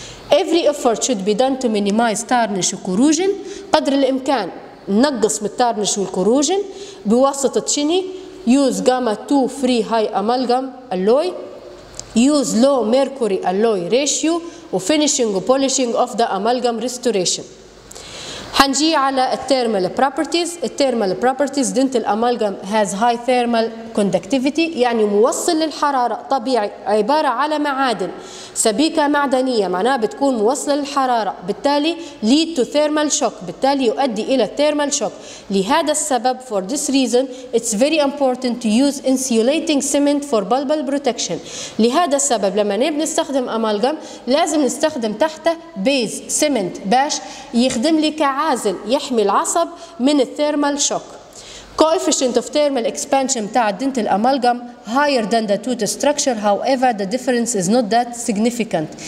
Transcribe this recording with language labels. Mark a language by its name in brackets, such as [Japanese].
[English] Every effort should be done to minimize tarnish corrosion. [Arabic] قدر الإمكان نقص من التارنش والكروجن. بواسطة شني؟ [English] use gamma 2 free high amalgam alloy. Use low mercury alloy ratio وfinishing and polishing of the amalgam restoration. [Arabic] هنجي على [English] thermal properties. Thermal properties dental amalgam has high thermal conductivity [Arabic] يعني موصل للحرارة طبيعي، عبارة على معادن سبيكة معدنية معناها بتكون موصلة للحرارة، بالتالي [English] lead to thermal shock، [Arabic] بالتالي يؤدي إلى [English] thermal shock. [Arabic] لهذا السبب [English] for this reason it's very important to use insulating cement for bubble protection. [Arabic] لهذا السبب لما نستخدم أمالغم لازم نستخدم تحته [English] base cement [Arabic] باش يخدم لي كعازل يحمي العصب من [English] thermal shock. Coefficient of thermal expansion بتاع dental amalgam higher than the tooth structure. However, the difference is not that significant.